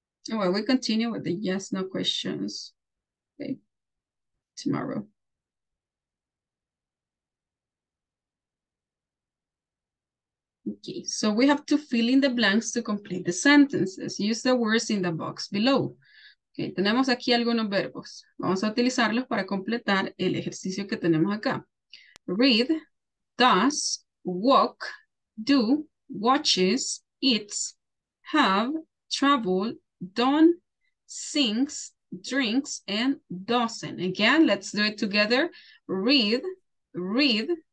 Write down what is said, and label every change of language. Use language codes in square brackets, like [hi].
[en] Oh, well, we continue with the yes, no questions. Okay. Tomorrow. Okay, so we have to fill in the blanks to complete the sentences. Use the words in the box below. Okay, [es] tenemos aquí algunos verbos. Vamos a utilizarlos para completar el ejercicio que tenemos acá. [en] Read, does, walk, do, watches, eats, have, travel, don't, sings, drinks, and doesn't. Again, let's do it together. Read, read,